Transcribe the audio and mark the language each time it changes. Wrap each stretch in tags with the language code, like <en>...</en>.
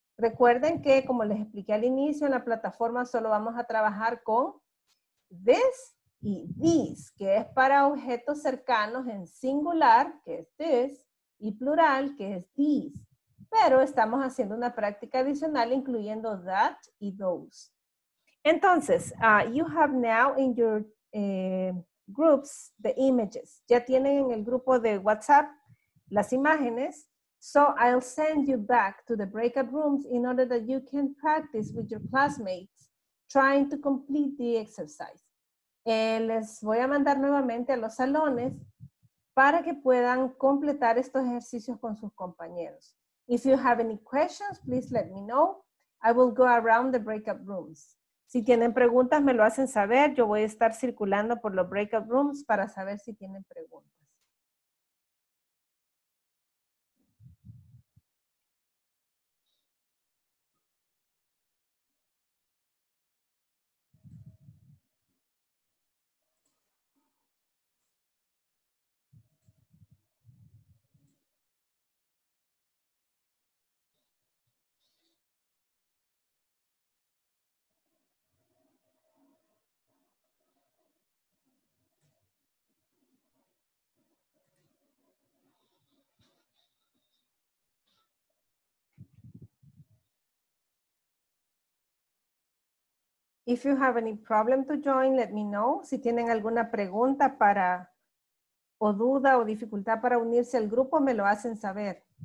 <es>Recuerden que, como les expliqué al inicio, en la plataforma solo vamos a trabajar con this y these, que es para objetos cercanos en singular, que es this, y plural, que es these. Pero estamos haciendo una práctica adicional incluyendo that y those. Entonces,</es> <en>you have now in your groups, the images.</en> <es>Ya tienen en el grupo de WhatsApp las imágenes.</es> <en>So I'll send you back to the breakout rooms in order that you can practice with your classmates trying to complete the exercise.</en> <es>Les voy a mandar nuevamente a los salones para que puedan completar estos ejercicios con sus compañeros.</es> <en>If you have any questions, please let me know. I will go around the breakout rooms.</en> <es>Si tienen preguntas, me lo hacen saber. Yo voy a estar circulando por los breakout rooms para saber si tienen preguntas.</es> <en>If you have any problem to join, let me know.</en> <es>Si tienen alguna pregunta para, o duda o dificultad para unirse al grupo, me lo hacen saber.</es>